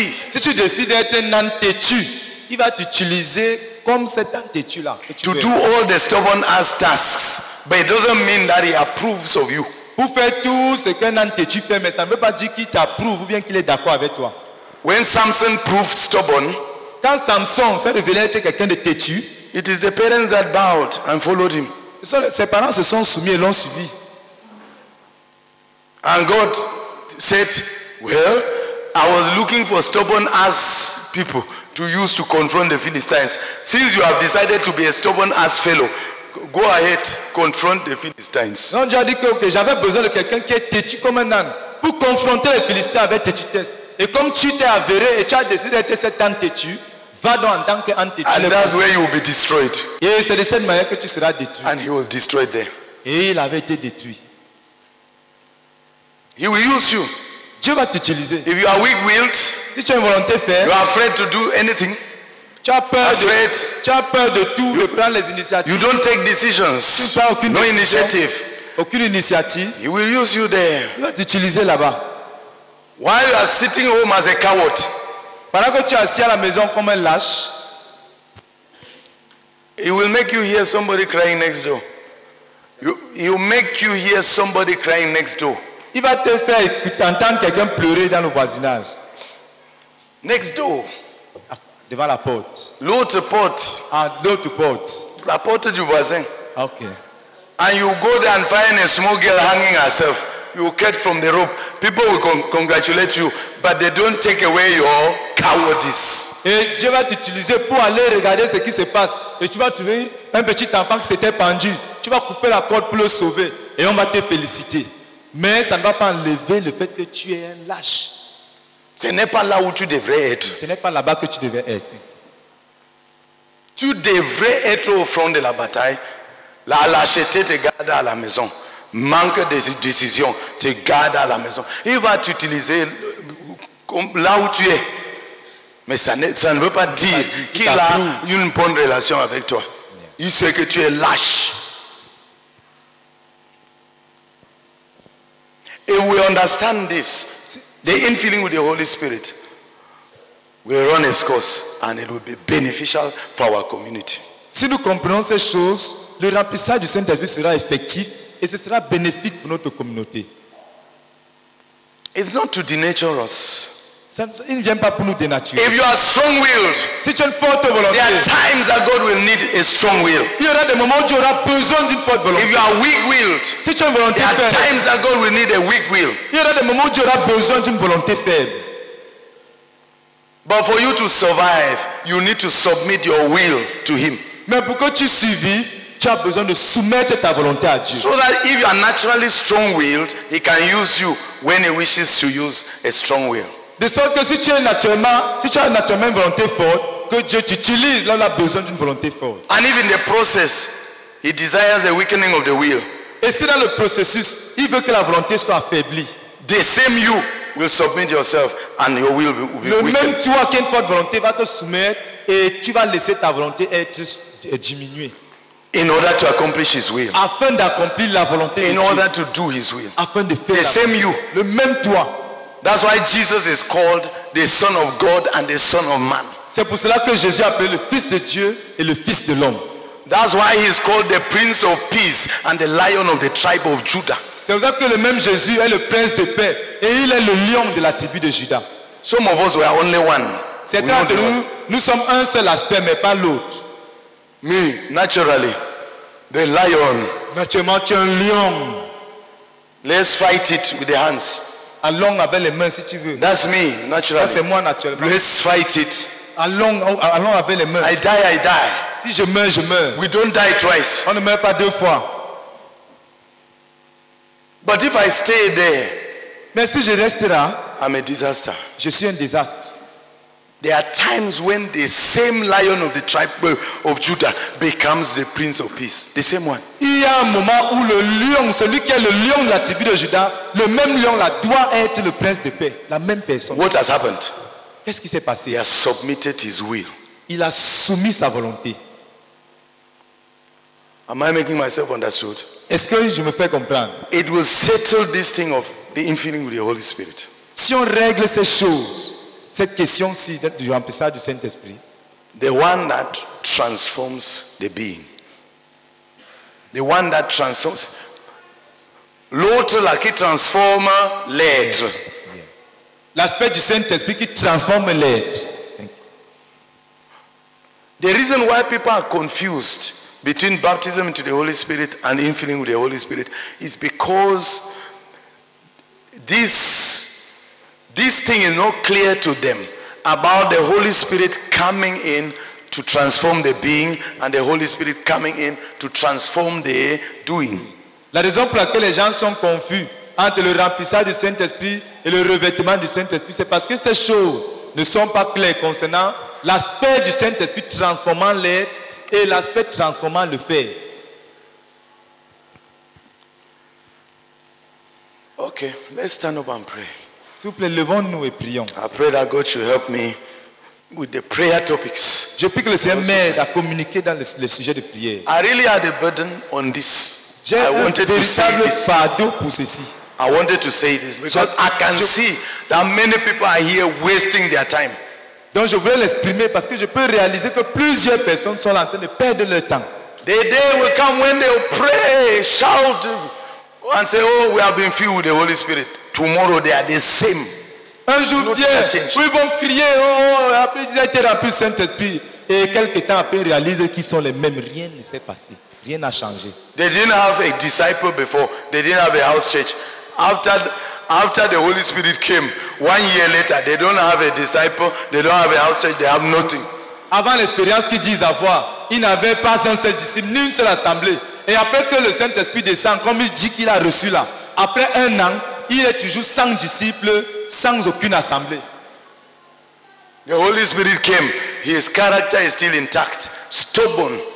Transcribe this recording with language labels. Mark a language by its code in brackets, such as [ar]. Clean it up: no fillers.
[fr] Si tu décides d'être un âne têtu, il va t'utiliser comme cet âne têtu-là. [en] To do all the stubborn ass tasks, but it doesn't mean that he approves of you. [fr] Pour faire tout ce qu'un âne têtu fait, mais ça ne veut pas dire qu'il t'approuve ou bien qu'il est d'accord avec toi. [en] When Samson proved stubborn, [fr] quand Samson s'est révélé être quelqu'un de têtu, [en] it is the parents that bowed and followed him. [fr] Ses parents se sont soumis et l'ont suivi. [en] And God said, well, I was looking for stubborn ass people to use to confront the Philistines. Since you have decided to be a stubborn ass fellow, go ahead, confront the Philistines. [fr] Non, j'ai dit que okay, j'avais besoin de quelqu'un qui est têtu comme un âne pour confronter les Philistins avec têtutesse. Et comme tu t'es avéré et tu as décidé d'être cet âne têtu, va donc en tant qu'antichrist. [en] And that's where you will be destroyed. [fr] Et c'est de cette manière que tu seras détruit. [en] And he was destroyed there. [fr] Et il avait été détruit. [en] He will use you. [fr] Dieu va t'utiliser. [en] If you are weak-willed, [fr] si tu as une volonté ferme, [en] you are afraid to do anything. [fr] Tu as peur de tout. De prendre les initiatives. [en] You don't take decisions. [fr] Tu ne prends aucune décision. [en] No initiative. [fr] Aucune initiative. [en] He will use you there. [fr] Il va t'utiliser là-bas. [en] While you are sitting home as a coward. [fr] Pendant que tu es assis à la maison comme un lâche, [en] it will make you hear somebody crying next door. You make you hear somebody crying next door. [fr] Il va te faire entendre quelqu'un pleurer dans le voisinage. [en] Next door. [fr] Devant la porte. L'autre porte. Ah, l'autre porte. La porte du voisin. Ok. [en] And you go there and find a small girl hanging herself. You will cut from the rope. People will congratulate you, but they don't take away your cowardice. [fr] Et Dieu va t'utiliser pour aller regarder ce qui se passe. Et tu vas trouver un petit enfant qui s'était pendu. Tu vas couper la corde pour le sauver. Et on va te féliciter. Mais ça ne va pas enlever le fait que tu es un lâche. Ce n'est pas là où tu devrais être. Ce n'est pas là-bas que tu devrais être. Tu devrais être au front de la bataille. La lâcheté te garde à la maison. Manque de décision te garde à la maison. Il va t'utiliser là où tu es. Mais ça ne veut pas dire qu'il a une bonne relation avec toi. Il sait que tu es lâche. [en] If we understand this, the infilling with the Holy Spirit, we'll run its course and it will be beneficial for our community. [fr] Si nous comprenons ces choses, le remplissage du Saint-Esprit sera effectif et ce sera bénéfique pour notre communauté. [en] It's not to denature us. [fr] Il ne vient pas pour nous dénaturer. [en] If you are strong-willed, [fr] si tu as une forte volonté, [en] there are times that God will need a strong will. [fr] Il y aura des moments où tu auras besoin d'une forte volonté. [en] If you are weak-willed, [fr] si tu as une volonté faible, [en] there are times that God will need a weak will. [fr] Il y aura des moments où tu auras besoin d'une volonté faible. [en] But for you to survive, you need to submit your will to Him. [fr] Mais pour que tu survives, tu as besoin de soumettre ta volonté à Dieu. [en] So that if you are naturally strong-willed, He can use you when He wishes to use a strong will. [fr] De sorte que si tu as naturellement une volonté forte, que Dieu t'utilise là où il a besoin d'une volonté forte. [en] And if in the process, He desires a weakening of the will. [fr] Et si dans le processus, il veut que la volonté soit affaiblie. [en] The same you will submit yourself and your will will be weakened. [fr] Le même toi qui a une forte volonté va te soumettre et tu vas laisser ta volonté être diminuée. [en] In order to accomplish His will. [fr] Afin d'accomplir la volonté. [en] In order to do His will. [fr] Afin de faire. [en] The same you. [fr] Le même toi. [en] That's why Jesus is called the Son of God and the Son of Man. [fr] C'est pour cela que Jésus est appelé le Fils de Dieu et le Fils de l'homme. [en] That's why he is called the Prince of Peace and the Lion of the tribe of Judah. [fr] C'est pour cela que le même Jésus est le Prince de Paix et il est le Lion de la tribu de Juda. [en] Some of us were only one. [fr] Certains de nous, nous sommes un seul aspect mais pas l'autre. [en] Me, naturally, the Lion. [fr] Naturellement, tu es un lion. [en] Let's fight it with the hands. [fr] Allons avec les mains si tu veux. [en] That's me, naturally. [fr] Ça c'est moi naturellement. [en] Let's fight it. [fr] Allons avec les mains. [en] I die. [fr] Si je meurs, je meurs. [en] We don't die twice. [fr] On ne meurt pas deux fois. [en] But if I stay there, [fr] mais si je reste là, [en] I'm a disaster. [fr] Je suis un désastre. [en] There are times when the same lion of the tribe of Judah becomes the prince of peace. The same one. [fr] Il y a un moment où le lion, celui qui est le lion de la tribu de Juda, le même lion là doit être le prince de paix, la même personne. [en] What has happened? [fr] Qu'est-ce qui s'est passé? [en] He has submitted his will. [fr] Il a soumis sa volonté. [en] Am I making myself understood? [fr] Est-ce que je me fais comprendre? [en] It will settle this thing of the infilling with the Holy Spirit. [fr] Si on règle ces choses, cette question-ci du remplissage du Saint-Esprit. [en] The one that transforms the being. The one that transforms. [fr] L'autre là qui transforme l'être. L'aspect du Saint-Esprit qui transforme l'être. [en] The reason why people are confused between baptism into the Holy Spirit and infilling with the Holy Spirit is because this thing is not clear to them about the Holy Spirit coming in to transform the being and the Holy Spirit coming in to transform the doing. [fr] La raison pour laquelle les gens sont confus entre le remplissage du Saint-Esprit et le revêtement du Saint-Esprit, c'est parce que ces choses ne sont pas claires concernant l'aspect du Saint-Esprit transformant l'être et l'aspect transformant le faire. [en] Okay, let's stand up and pray. [fr] S'il vous plaît, levons-nous et prions. [en] I pray that God should help me with the prayer topics. [fr] Je prie que le Seigneur m'aide à communiquer dans le sujet de prière. [en] I really had a burden on this. [fr] J'ai [en] I wanted to say this. [fr] Pour ceci. [en] I wanted to say this because I can see that many people are here wasting their time. [fr] Donc je voulais l'exprimer parce que je peux réaliser que plusieurs personnes sont en train de perdre leur temps. [en] The day will come when they will pray, shout, and say, "Oh, we have been filled with the Holy Spirit." Tomorrow they are the same. [fr] Un jour vient où ils vont crier, oh, après ils ont été remplis du Saint-Esprit. Et quelques temps après, ils réalisent qu'ils sont les mêmes. Rien ne s'est passé. Rien n'a changé. [en] They didn't have a disciple before. They didn't have a house church. After the Holy Spirit came, 1 year later, they don't have a disciple. They don't have a house church. They have nothing. [fr] Avant l'expérience qu'ils disent avoir, ils n'avaient pas un seul disciple, ni une seule assemblée. Et après que le Saint-Esprit descend, comme il dit qu'il a reçu là, après un an, il est toujours sans disciples, sans aucune assemblée. [en] The Holy Spirit came. His character is still intact, stubborn.